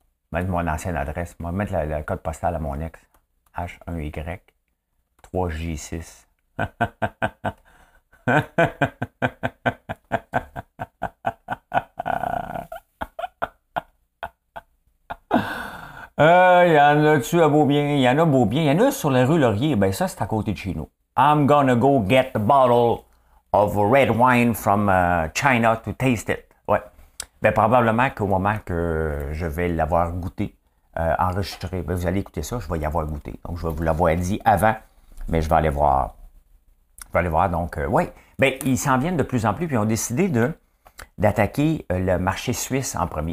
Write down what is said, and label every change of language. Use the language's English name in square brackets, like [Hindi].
[French] Mettre mon ancienne adresse. Je vais mettre le code postal à mon ex. H1Y3J6. Il y en a-tu à Beaubien? Il y en a Beaubien. Il y en a sur la rue Laurier. Ben ça, c'est à côté de chez nous. [English] I'm gonna go get the bottle of red wine from China to taste it. [French] Ouais. Ben probablement qu'au moment que je vais l'avoir goûté, enregistré, ben, vous allez écouter ça, je vais y avoir goûté. Donc, je vais vous l'avoir dit avant, mais je vais aller voir. Je vais aller voir, donc, oui. Bien, ils s'en viennent de plus en plus, puis ils ont décidé d'attaquer le marché suisse en premier.